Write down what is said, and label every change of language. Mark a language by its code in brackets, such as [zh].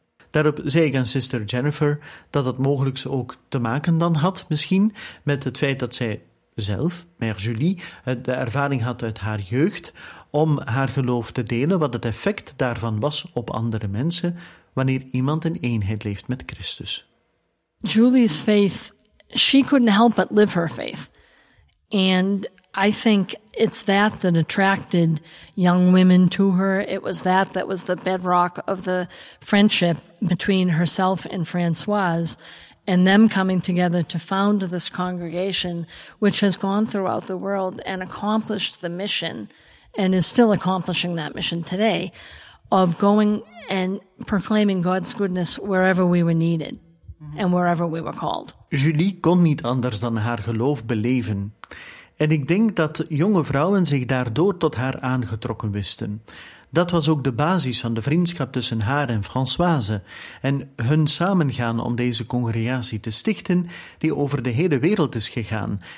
[nl] Daarop zei ik aan sister Jennifer dat het mogelijk ook te maken dan had, misschien, met het feit dat zij zelf, Mère Julie, de ervaring had uit haar jeugd om haar geloof te delen, wat het effect daarvan was op andere mensen wanneer iemand in eenheid leeft met Christus. [en] Julie's faith, she couldn't help but live her faith. And I think it's that that attracted young women to her. It was that that was the bedrock of the friendship between herself and Françoise, and them coming together to found this congregation, which has gone throughout the world and accomplished the mission, and is still accomplishing that mission today, of going and proclaiming God's goodness wherever we were needed. En wherever we were called. [nl] Julie kon niet anders dan haar geloof beleven. En ik denk dat jonge vrouwen zich daardoor tot haar aangetrokken wisten. Dat was ook de basis van de vriendschap tussen haar en Françoise. En hun samengaan om deze congregatie te stichten, die over de hele wereld is gegaan.